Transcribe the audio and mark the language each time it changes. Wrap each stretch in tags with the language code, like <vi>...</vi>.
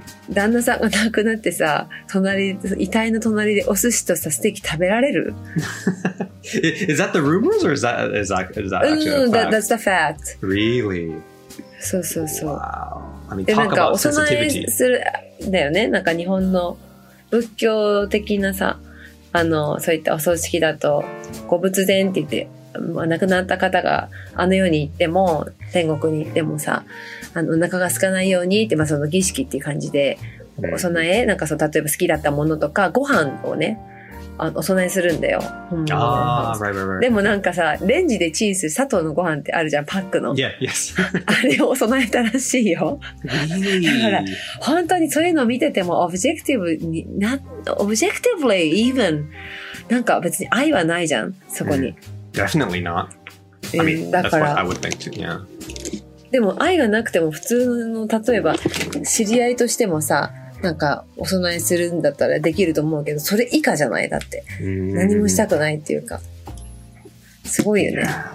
<ja>旦那さんが亡くなってさ、遺体の隣でお寿司とさステーキ食べられる。</ja> <en>Is that the rumors or is that actually a fact? That's the fact. Really?</en> <ja>そうそうそう。</ja> <en>Wow. I mean, talk about sensitivity.</en> <ja>なんかお供えするだよね。なんか日本の仏教的なさ、あのそういったお葬式だと、ご仏前って言って。亡くなった方があの世に行っても天国に行ってもさ、あのお腹が空かないようにって、まあ、その儀式っていう感じでお供え、なんかそう例えば好きだったものとかご飯をねあのお供えするんだよ。</ja> <en>ああ、right, right, right.</en> <ja>でもなんかさ、レンジでチンする砂糖のご飯ってあるじゃん、パックの。</ja> <en>Yeah, yes.</en> <ja>あれをお供えたらしいよ。</ja> <en>Really?</en> <ja>だから、本当にそういうのを見てても、オブジェクティブに、オブジェクティブリー、</ja> <en>even。</en> <ja>なんか別に愛はないじゃん、そこに。</ja> <en>Definitely not. I mean, that's what I would think too, yeah.</en> <ja>でも愛がなくても、普通の、例えば、知り合いとしてもさ、なんかお供えするんだったらできると思うけど、それ以下じゃないだって。 Mm-hmm. 何もしたくないっていうか、すごいよね。</ja>